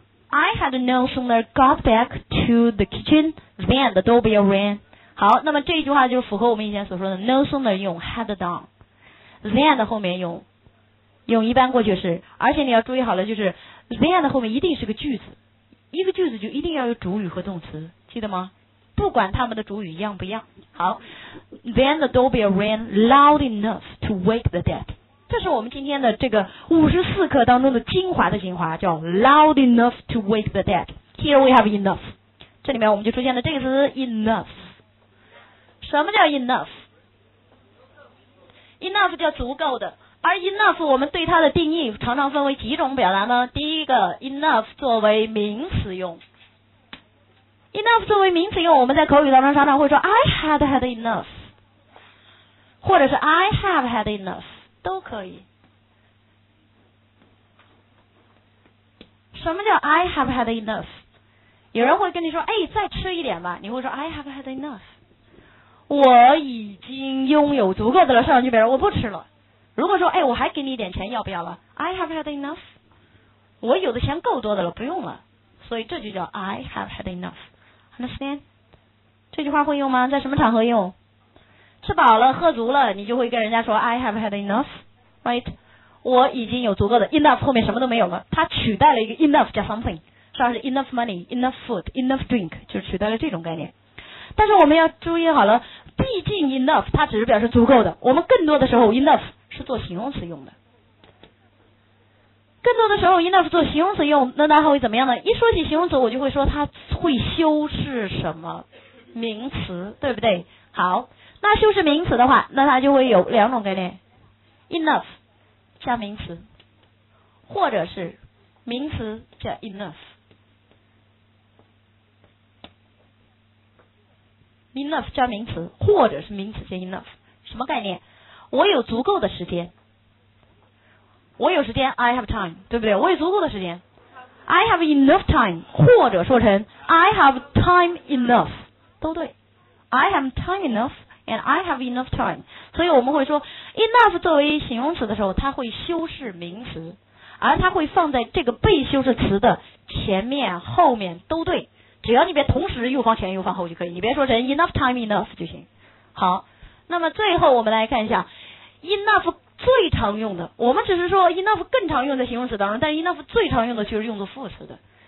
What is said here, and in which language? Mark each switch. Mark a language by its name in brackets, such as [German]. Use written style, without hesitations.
[English] I had no sooner got back to the kitchen than the doorbell rang. [Chinese] 好，那么这句话就是符合我们以前所说的 no sooner 用 had done， than 的后面用一般过去式，而且你要注意好了，就是 than 的后面一定是个句子，一个句子就一定要有主语和动词，记得吗？不管他们的主语一样不一样。好， then the doorbell rang loud enough to wake the dead。这是我们今天的这个54课当中的精华的精华，叫 loud enough to wake the dead。 Here we have enough，这里面我们就出现了这个词 enough。什么叫 enough？enough 叫足够的，而 enough 我们对它的定义常常分为几种表达呢？第一个 enough 作为名词用。enough 作为名词用，我们在口语当中常常会说 I had had enough，或者是 I have had enough，都可以。什么叫 I have had enough？有人会跟你说，哎，再吃一点吧，你会说 I have had enough，我已经拥有足够的了，上去别人我不吃了。如果说，哎，我还给你一点钱，要不要了？ I have had enough，我有的钱够多的了，不用了。所以这就叫 I have had enough。 Understand？这句话会用吗？在什么场合用？吃饱了喝足了，你就会跟人家说 I have had enough， right？我已经有足够的 enough， 后面什么都没有了，它取代了一个 enough 加 something， 像是 enough money， enough food， enough drink， 就取代了这种概念。但是我们要注意好了，毕竟 enough 它只是表示足够的，我们更多的时候 enough 是做形容词用的。更多的时候 enough 做形容词用，那它会怎么样呢？一说起形容词，我就会说它会修饰什么名词，对不对？好，那修饰名词的话，那它就会有两种概念， enough 加名词，或者是名词加 enough。 enough 加名词，或者是名词加 enough， 什么概念？我有足够的时间，我有时间 I have time，对不对？我有足够的时间 I have enough time，或者说成 I have time enough，都对。 [English] I have time enough and I have enough time。 [Chinese] 所以我们会说 enough 作为形容词的时候，它会修饰名词，而它会放在这个被修饰词的前面后面都对，只要你别同时又放前又放后就可以，你别说成 enough time enough 就行。好，那么最后我们来看一下 enough最常用的，我们只是说 enough 更常用在形容词当中，但是 enough 最常用的就是用作副词的。